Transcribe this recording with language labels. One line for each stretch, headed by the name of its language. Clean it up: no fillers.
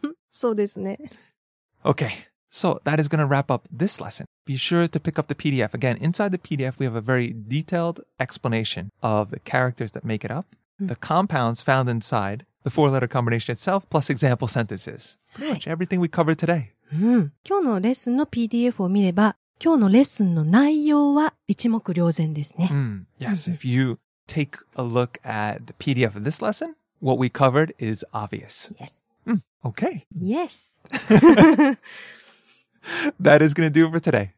Japanese: そうですね。
English: Okay, so that is going to wrap up this lesson. Be sure to pick up the PDF. Again, inside the PDF, we have a very detailed explanation of the characters that make it up, the compounds found inside, the four-letter combination itself, plus example sentences. Pretty much everything we covered today.
Japanese: 今日のレッスンの PDF を見れば、今日のレッスンの内容は一目瞭然ですね。
English: Yes, if you take a look at the PDF of this lesson, what we covered is obvious. Yes. Okay. Yes. That is going to do it for today.